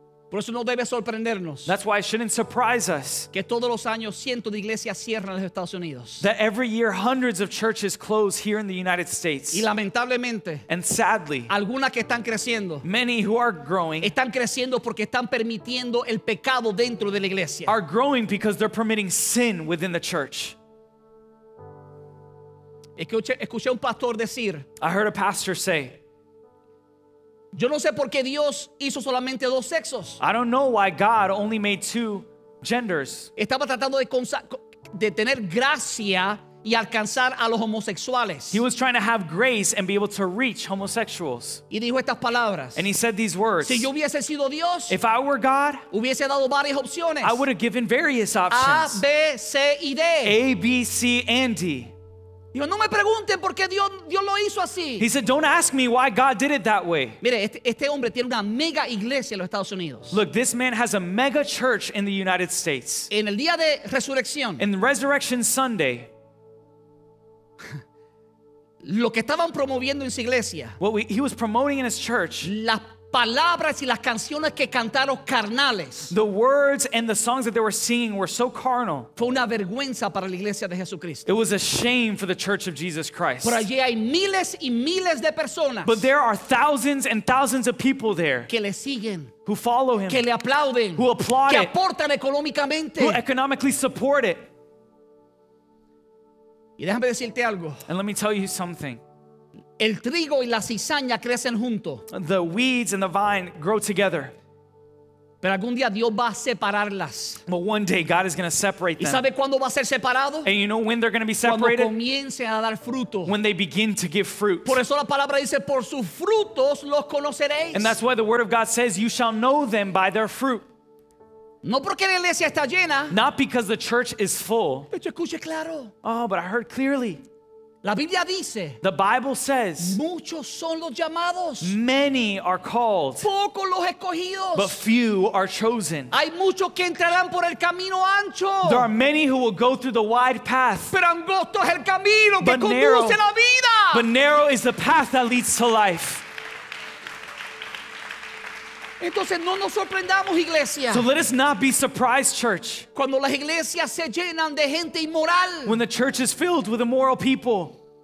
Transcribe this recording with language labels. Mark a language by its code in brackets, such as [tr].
[es] Por eso no debe sorprendernos. [en] That's why it shouldn't surprise us. [es] Que todos los años cientos de iglesias cierran en los Estados Unidos. [en] That every year hundreds of churches close here in the United States. [es] Y lamentablemente, [en] and sadly, [es] algunas que están creciendo, [en] many who are growing, [es] están creciendo porque están permitiendo el pecado dentro de la iglesia. [en] Are growing because they're permitting sin within the church. [es] Escuché un pastor decir, [en] I heard a pastor say, [es] yo no sé por qué Dios hizo solamente dos sexos. [en] I don't know why God only made two genders. [es] Estaba tratando de tener gracia y alcanzar a los homosexuales. [en] He was trying to have grace and be able to reach homosexuals. [es] Y dijo estas palabras. [en] And he said these words. [es] Si yo hubiese sido Dios, [en] if I were God, [es] hubiese dado varias opciones. [en] I would have given various options. [es] A, B, C, y D. [en] A, B, C, and D. [es] Dijo, no me pregunten por qué Dios lo hizo así. [en] He said, don't ask me why God did it that way. [es] Mire, este hombre tiene una mega iglesia en los Estados Unidos. [en] Look, this man has a mega church in the United States. [es] En el día de resurrección. [en] In Resurrection Sunday. [es] Lo que estaban promoviendo en su iglesia. [en] What he was promoting in his church. [es] Las palabras y las canciones que cantaron carnales. [en] The words and the songs that they were singing were so carnal. [es] Fue una vergüenza para la iglesia de Jesucristo. [en] It was a shame for the church of Jesus Christ. [es] Por allí hay miles y miles de personas. [en] But there are thousands and thousands of people there. [es] Que le siguen. [en] Who follow him. [es] Que le aplauden. [en] Who applaud it. [es] Que aportan económicamente. [en] Who economically support it. [es] Y déjame decirte algo. [en] And let me tell you something. [es] El trigo y la cizaña crecen junto. [en] The weeds and the vine grow together. [es] Pero algún día Dios va a separarlas. [en] But one day God is going to separate them. [es] ¿Y sabe cuándo va a ser separado? [en] And you know when they're going to be separated? [es] Cuando comiencen a dar fruto. [en] When they begin to give fruit. [es] Por eso la palabra dice, por sus frutos los conoceréis. [en] And that's why the word of God says, you shall know them by their fruit. [es] No porque la iglesia está llena. [en] Not because the church is full. [es] Pero escuche claro. [en] Oh, but I heard clearly. [es] La Biblia dice, [en] the Bible says, [es] muchos son los llamados, [en] many are called, [es] pocos los escogidos, [en] but few are chosen. [es] Hay muchos que entrarán por el camino ancho. [en] There are many who will go through the wide path, [es] pero angosto es el camino que conduce la vida. [en] But narrow is the path that leads to life. [es] Entonces no nos sorprendamos, iglesia. [en] So let us not be surprised, church. [es] Cuando las iglesias se llenan de gente inmoral. [en] When the church is filled with immoral people.